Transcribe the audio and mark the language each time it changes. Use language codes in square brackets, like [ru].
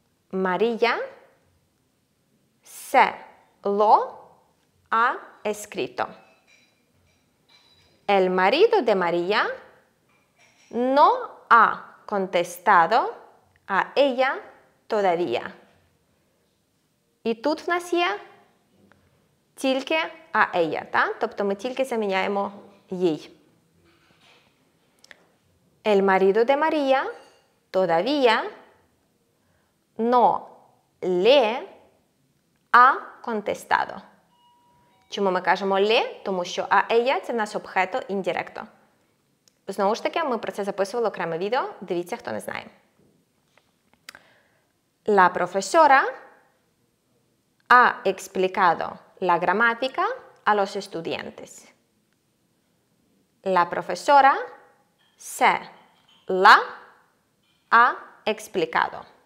[es] María se lo ha escrito. El marido de María no ha contestado a ella todavía. [uk] І тут в нас є тільки «а ella», так? Тобто ми тільки заміняємо «їй». [es] El marido de María todavía no le ha contestado. [uk] Чому ми кажемо «le»? Тому що «а ella» – це в нас обхето індиректо. Знову ж таки, ми про це записували окреме відео. Дивіться, хто не знає. [es] La profesora ha explicado la gramática a los estudiantes. La profesora se la ha explicado.